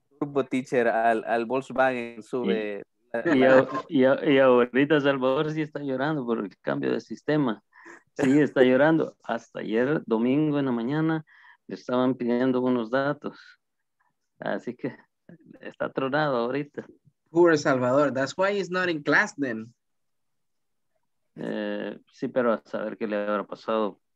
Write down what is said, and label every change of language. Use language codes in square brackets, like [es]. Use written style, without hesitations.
[es] Turbo teacher al Volkswagen sube. Y ahorita Salvador sí está llorando por el cambio de sistema. Sí está llorando. Hasta ayer, domingo en la mañana, le estaban pidiendo unos datos. Así que está tronado ahorita. [en] Poor Salvador, that's why he's not in class then. [es] Sí, pero a saber qué le habrá pasado.